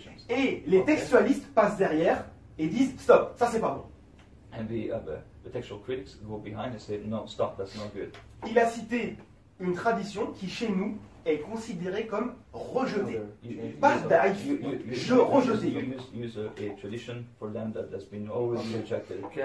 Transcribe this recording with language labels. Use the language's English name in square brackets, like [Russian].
[French] Et les textualistes passent derrière et disent stop, ça c'est pas bon. [English] And the textual critics go behind and say no, stop, that's not good. [French] Il a cité une tradition qui chez nous est considéré comme rejeté. Pas je rejeté. [English] Use a tradition for them that has been always rejected.